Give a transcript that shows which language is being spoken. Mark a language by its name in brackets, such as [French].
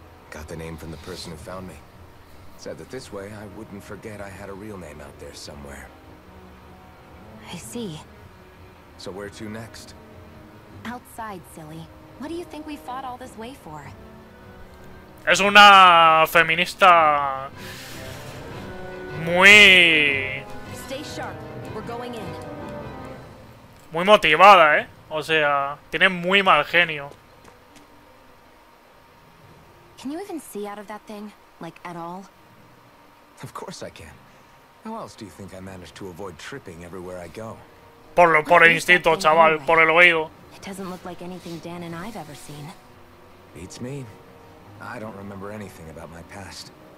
[English] Got the name from the person who found me. Said that this way I wouldn't forget I had a real name out there somewhere. I see. So where to next? Outside, silly. What do you think we fought all this way for? [Spanish] Es una feminista muy motivada, ¿eh? O sea, tiene muy mal genio. [English] Can you even see out of that thing, like at all? Of course I can. How else do you think I manage to avoid tripping everywhere I go? [Spanish] Por el instinto, chaval, por el oído. [English] It doesn't look like anything Dan and I've ever seen. Beats me. I don't remember anything about my past.